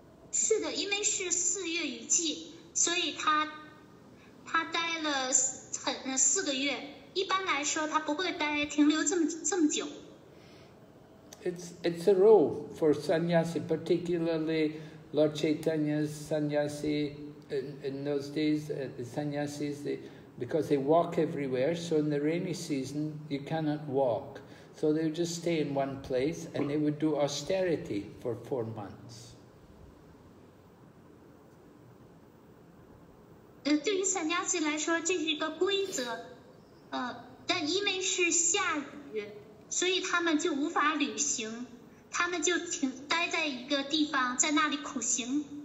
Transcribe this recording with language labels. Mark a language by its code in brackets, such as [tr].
[zh] 是的，因为是四月雨季，所以他待了四个月，一般来说他不会停留这么久。 [en] It's a rule for sannyasi, particularly Lord Chaitanya's sannyasi in those days, the sannyasis, because they walk everywhere, so in the rainy season you cannot walk. So they would just stay in one place and they would do austerity for 4 months. [zh] 对于散家子来说这是一个规则，但因为是下雨，所以他们就无法旅行，他们就待在一个地方，在那里苦行。